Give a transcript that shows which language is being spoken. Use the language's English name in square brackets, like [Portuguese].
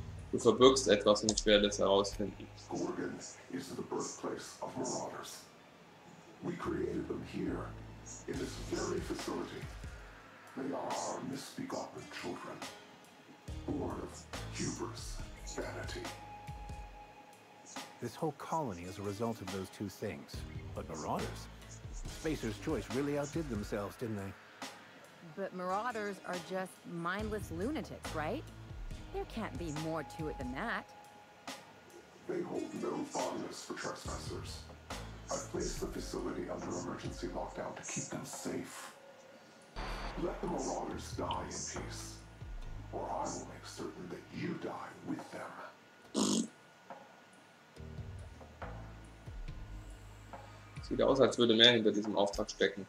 [German] Du verbirgst etwas und ich werde es herausfinden. [English] Gorgon is the birthplace of marauders. We created them here, in this very facility. They are our misbegotten children, born of hubris and vanity. This whole colony is a result of those two things. But marauders? Spacer's Choice really outdid themselves, didn't they? But marauders are just mindless lunatics, right? There can't be more to it than that. They hold no fondness for trespassers. I've placed the facility under emergency lockdown to keep them safe. Let the marauders die in peace, or I will make certain that you die with them. [German] Sieht aus, als würde mehr hinter diesem Auftrag stecken.